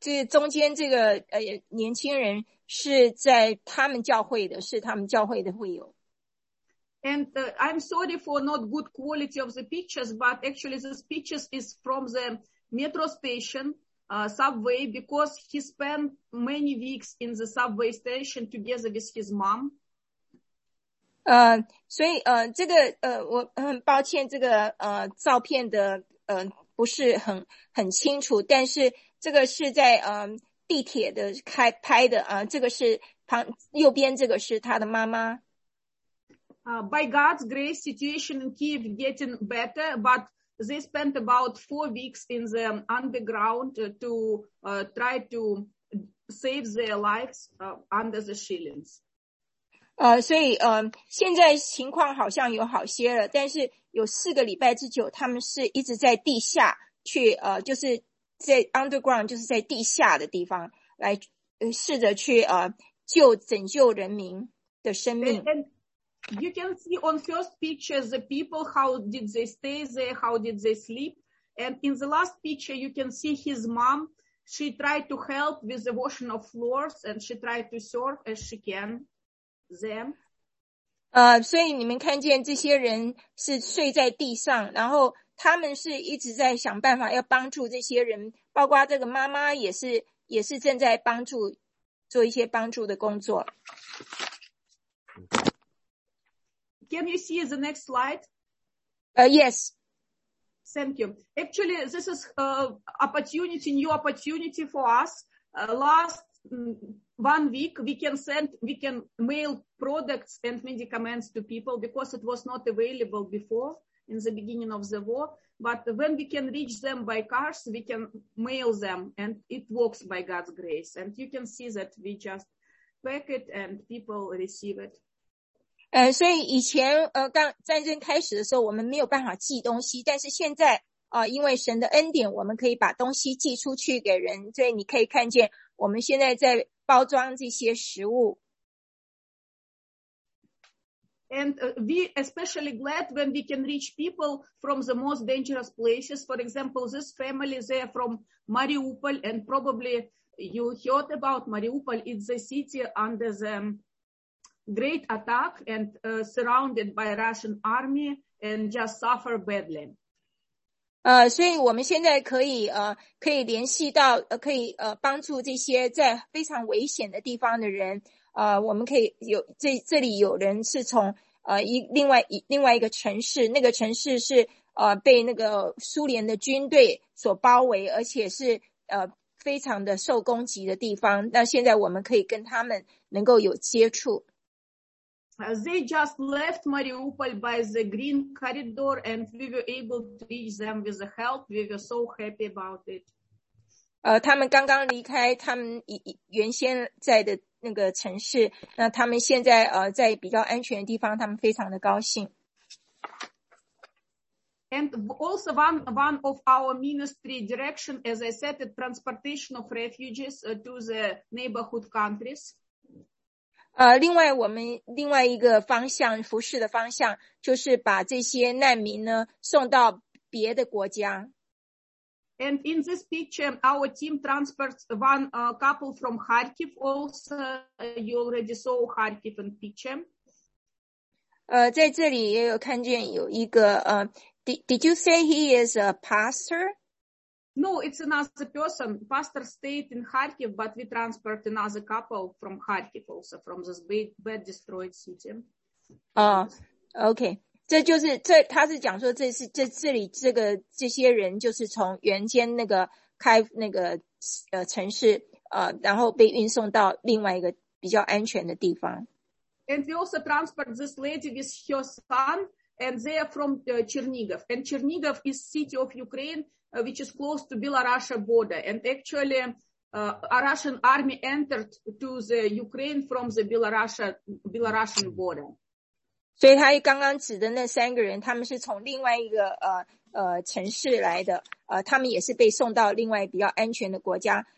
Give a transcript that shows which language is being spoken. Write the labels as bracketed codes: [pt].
[zh] 中间这个年轻人是在他们教会的，是他们教会的会友。 [en] And I'm sorry for not good quality of the pictures, but actually this pictures is from the metro station. Subway, because he spent many weeks in the subway station together with his mom. [zh] 所以这个我很抱歉，这个照片的不是很清楚，但是这个是在地铁的开拍的这个是旁右边这个是他的妈妈。 [en] By God's grace, situation in Kiev getting better, but. They spent about 4 weeks in the underground to try to save their lives under the shillings. [zh] 所以现在情况好像有好些了，但是有四个礼拜之久，他们是一直在地下去就是在 underground， 就是在地下的地方来试着去拯救人民的生命。 [en] You can see on first picture the people, how did they stay there, how did they sleep. And in the last picture, you can see his mom. She tried to help with the washing of floors, and she tried to serve as she can them. [zh] 所以你们看见这些人是睡在地上，然后他们是一直在想办法要帮助这些人，包括这个妈妈也是正在帮助，做一些帮助的工作。 [en] Can you see the next slide? Yes. Thank you. Actually, this is opportunity, new opportunity for us. Last one week, we can mail products and medicaments to people because it was not available before in the beginning of the war. But when we can reach them by cars, we can mail them, and it works by God's grace. And you can see that we just pack it and people receive it. [zh] 所以以前刚战争开始的时候，我们没有办法寄东西，但是现在因为神的恩典，我们可以把东西寄出去给人。所以你可以看见我们现在在包装这些食物。 [en] And we especially glad when we can reach people from the most dangerous places. For example, this family, they are from Mariupol, and probably you heard about Mariupol. It's the city under the great attack and surrounded by Russian army and just suffer badly. [zh] 所以我们现在可以联系到可以帮助这些在非常危险的地方的人。我们可以有这里有人是从另外一个城市，那个城市是被那个苏联的军队所包围，而且是非常的受攻击的地方。那现在我们可以跟他们能够有接触。 [en] They just left Mariupol by the green corridor, and we were able to reach them with the help. We were so happy about it. [zh] 他们刚刚离开他们原先在的那个城市，那他们现在在比较安全的地方，他们非常的高兴。 [en] And also one of our ministry direction, as I said, is transportation of refugees to the neighborhood countries. [zh] 另外一个方向，服事的方向，就是把这些难民呢送到别的国家。 [en] And in this picture, our team transports one couple from Kharkiv also. You already saw Kharkiv in picture. [zh] 在这里也有看见有一个 [en] did you say he is a pastor? No, it's another person. Pastor stayed in Kharkiv, but we transport another couple from Kharkiv also, from this bad destroyed city. Okay. [zh] 他是讲说这些人就是从原先那个开那个城市然后被运送到另外一个比较安全的地方。 [en] And we also transport this lady with her son, and they are from Chernigov. And Chernigov is city of Ukraine, which is close to Belarusia border. And actually, a Russian army entered to the Ukraine from the Belarusian border. [zh] 所以他刚刚指的那三个人，他们是从另外一个城市来的，他们也是被送到另外比较安全的国家。